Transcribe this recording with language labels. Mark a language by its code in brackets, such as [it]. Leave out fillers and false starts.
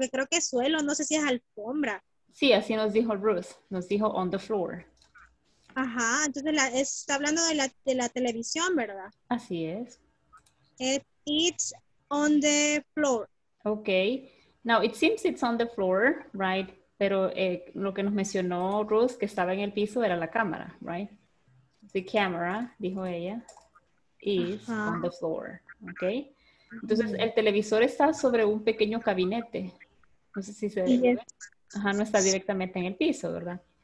[es] Porque creo que es suelo, no sé si es alfombra. Sí, así nos dijo Ruth, nos dijo [en] on the floor. [es] Ajá, entonces está hablando de la televisión, ¿verdad? Así es. [en] It's on the floor. Okay, now it seems it's on the floor, right? [es] Pero lo que nos mencionó Ruth, que estaba en el piso, era la cámara, [en] right? The camera, [es] dijo ella, [en] is on the floor, ¿ok? [es] Entonces, el televisor está sobre un pequeño gabinete. No sé si se ve. Ajá, no está directamente en el piso, ¿verdad?